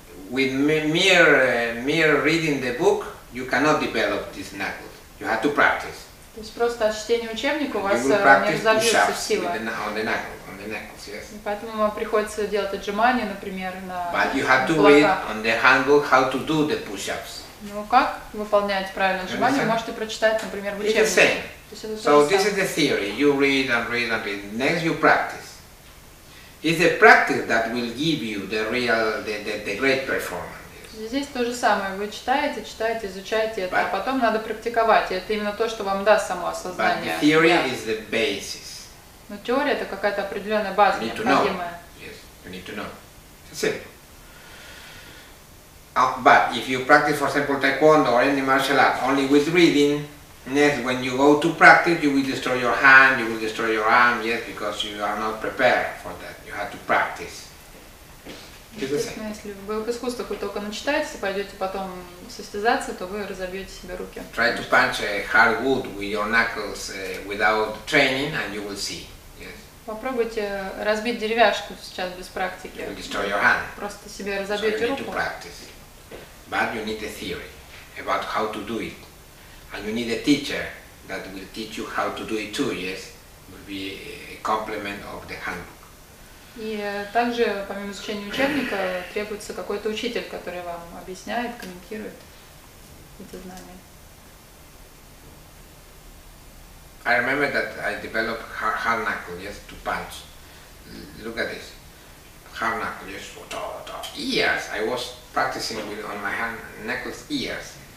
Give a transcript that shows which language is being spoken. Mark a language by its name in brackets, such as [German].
[English] With mere reading the book, you cannot develop these knuckles. You have to practice. [Russian] То есть просто от чтения учебника у вас не разобьется сила. [English] Yes. [Russian] Поэтому вам приходится делать отжимания, например, на [English] But you have to read on the handbook how to do the push-ups. [Russian] Ну как выполнять правильное отжимание, вы можете прочитать, например, в учебнике. [English] It's the same. So this is the theory. You read and read and read. Next you practice. It's the practice that will give you the real, the great performance. Yes. [Russian] Здесь то же самое. Вы читаете, читаете, изучаете это, а потом надо практиковать. И это именно то, что вам даст само осознание. [English] But the theory is the basis. [Russian] Но теория это какая-то определенная база, необходимая. [English] Yes, you need to know. It's simple. But if you practice, for example, taekwondo or any martial art only with reading, next when you go to practice, you will destroy your hand, you will destroy your arm, yes, because you are not prepared for that. You have to practice. [Russian] Если вы в искусствах вы только начитаетесь, пойдете потом состязаться, то вы разобьете себе руки. [English] Try to punch a hard wood with your knuckles without training, and you will see. [Russian] Попробуйте разбить деревяшку сейчас без практики. [English] You will destroy your hand. [Russian] Просто себе разобьете руку. [English] So you need to practice. But you need a theory about how to do it. And you need a teacher that will teach you how to do it too, yes? It will be a complement of the handbook. [Russian] И также, помимо изучения учебника, требуется какой-то учитель, который вам объясняет, комментирует эти знания. [English] I remember that I developed hard knuckle, yes, to punch. Look at this. Hard knuckle, yes, years. I was practicing with on my hand knuckles years.